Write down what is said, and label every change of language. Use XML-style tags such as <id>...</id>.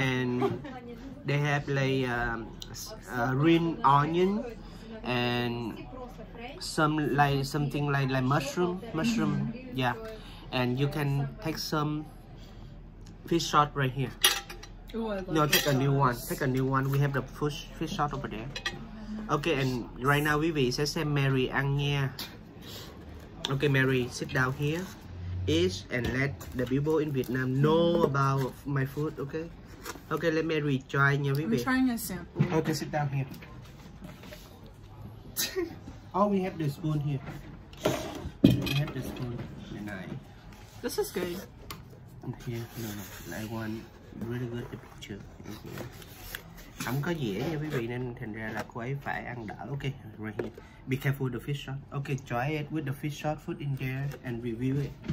<en>And they have like green onion and some like something like mushroom, yeah. And you can take some fish sauce right here. Ooh, no, take a new one. Take a new one. We have the fish sauce over there. Okay, and right now,</en> <vi>quý vị sẽ xem Mary ăn nha.</vi> <en>Okay, Mary, sit down here. Eat and let the people in Vietnam know about my food, okay? Okay, let Mary try</en> <vi>nha, quý vị.</vi> <en>I'm trying a sample. Okay, sit down here. Oh, we have the spoon here. We have the spoon. And I... This is good. Here, no, no. I want really good the picture. Okay.</en> <vi>Không có dĩa nha, quý vị, nên thành ra là cô ấy phải ăn đỡ.</vi> <en>Okay, right here. Be careful the fish sauce. Okay, try it with the fish sauce food in there and review it.</en>